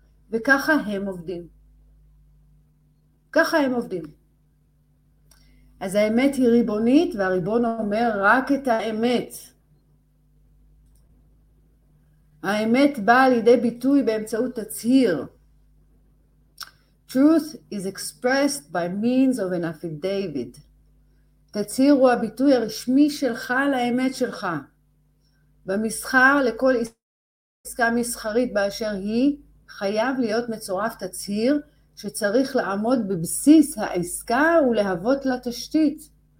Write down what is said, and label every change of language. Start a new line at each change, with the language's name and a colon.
Hebrew: וככה הם עובדים. ככה הם עובדים. אז האמת היא ריבונית, והריבון אומר רק את האמת. האמת באה לידי ביטוי באמצעות תצהיר.
English: Truth is expressed by means of an affidavit.
Hebrew: תצהיר הוא הביטוי הרשמי שלך לאמת שלך. במסחר, לכל עסקה מסחרית באשר היא, חייב להיות מצורף תצהיר שצריך לעמוד בבסיס העסקה ולהוות לה תשתית.